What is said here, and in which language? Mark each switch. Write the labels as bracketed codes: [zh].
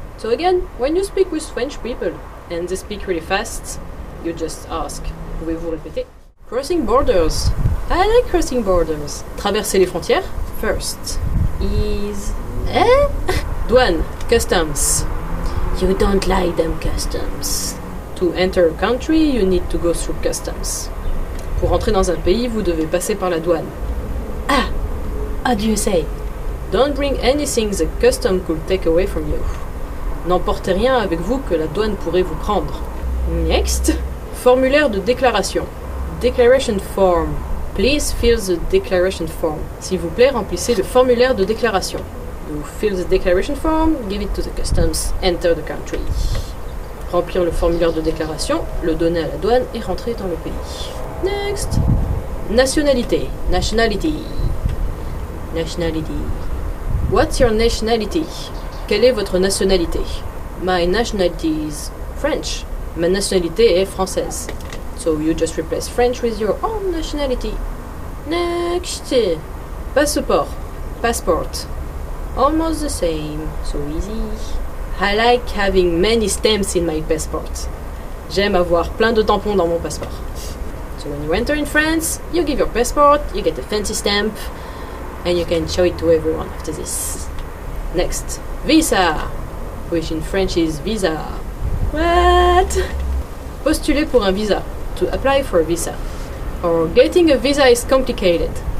[en] So again, when you speak with French people and they speak really fast, you just ask, [fr] pouvez-vous répéter? [en] Crossing borders. I like crossing borders. [fr] Traverser les frontières. [en] First. Is... Douane. Customs. You don't like them customs. To enter a country, you need to go through customs. [fr] Pour entrer dans un pays, vous devez passer par la douane. [en] Ah! How do you say? Don't bring anything the custom could take away from you. [fr] N'emportez rien avec vous que la douane pourrait vous prendre. [en] Next. Formulaire de déclaration. Declaration form. Please fill the declaration form. [fr] S'il vous plaît, remplissez le formulaire de déclaration. [en] You fill the declaration form, give it to the customs, enter the country. [fr] Remplir le formulaire de déclaration, le donner à la douane et rentrer dans le pays. [en] Next. Nationalité. Nationality. Nationality. What's your nationality? [fr] Quelle est votre nationalité? [en] My nationality is French. [fr] Ma nationalité est française. [en] So you just replace French with your own nationality. Next. Passeport. Passport. Almost the same. So easy. I like having many stamps in my passport. [fr] J'aime avoir plein de tampons dans mon passeport. [en] So when you enter in France, you give your passport, you get a fancy stamp, and you can show it to everyone after this. Next. Visa. Which in French is visa. What? [fr] Postuler pour un visa. [en] To apply for a visa. Or getting a visa is complicated.